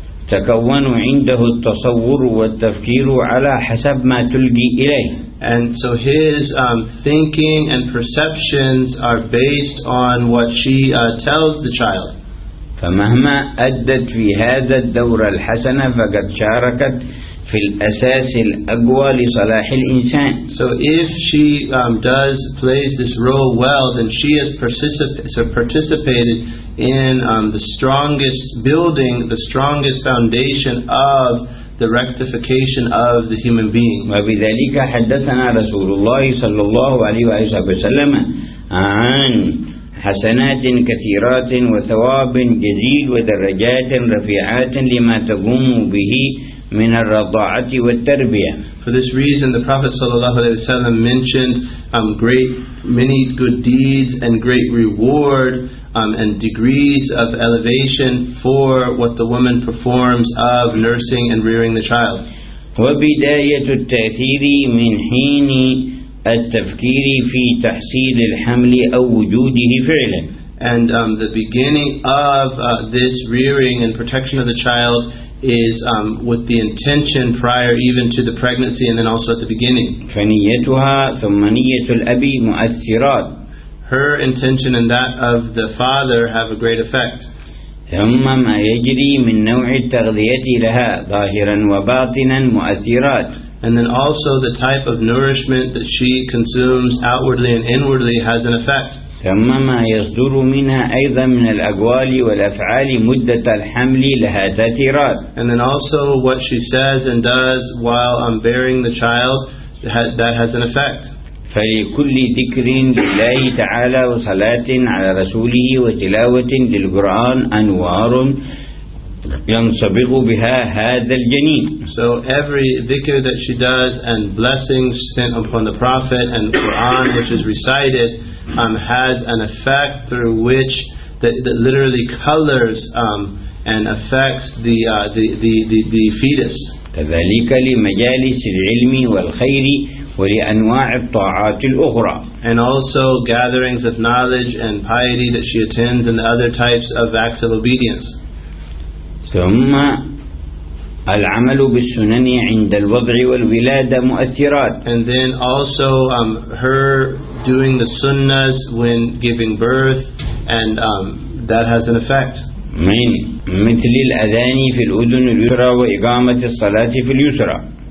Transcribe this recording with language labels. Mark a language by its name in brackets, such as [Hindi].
[Arabic] فيتكون عنده التصور والتفكير على حسب ما تلقي إليه. [English] And so his thinking and perceptions are based on what she tells the child. [Arabic] فمهما أدت في هذا الدور الحسنة فقد شاركت في الأساس الأقوى لصلاح الإنسان. [English] So if she plays this role well, then she has participated in the strongest building, the strongest foundation of the rectification of the human being. [Arabic] وبذلك حدثنا رسول الله صلى الله عليه وسلم عن حسنات كثيرات وثواب جزيل ودرجات رفيعات لما تقوم به من الرضاعة والتربية. [English] For this reason, the Prophet [Arabic] sallallahu alaihi wasallam [English] mentioned great, many good deeds and great reward and degrees of elevation for what the woman performs of nursing and rearing the child. [Arabic] وبداية التأثير من حين التفكير في تحصيل الحمل أو وجوده فعلا. [English] And the beginning of this rearing and protection of the child is with the intention prior even to the pregnancy and then also at the beginning. [Arabic] فنيتها ثم نية الأب مؤثرات. [English] Her intention and that of the father have a great effect. [Arabic] ثم ما يجري من نوع التغذية لها ظاهرا وباطنا مؤثرات. [English] And then also the type of nourishment that she consumes outwardly and inwardly has an effect. [Arabic] ثم ما يصدر منها أيضا من الأقوال والأفعال مدة الحمل لها تأثيرات. [English] And then also what she says and does while I'm bearing the child, that has an effect. [Arabic] فلكل ذكر لله تعالى وصلاة على رسوله وتلاوة للقرآن أنوار ينصبغ بها هذا الجنين. [English] So every dhikr that she does and blessings sent upon the Prophet and Quran which is recited has an effect through which that literally colors and affects the fetus. [Arabic] كذلك لمجالس العلم والخير ولأنواع الطاعات الأخرى. [English] And also gatherings of knowledge and piety that she attends and the other types of acts of obedience. [Arabic] ثم العمل بالسنن عند الوضع والولادة مؤثرات. [English] And then also her doing the sunnas when giving birth and that has an effect. [Arabic] من مثل الأذان في الأذن اليسرى وإقامة الصلاة في اليسرى.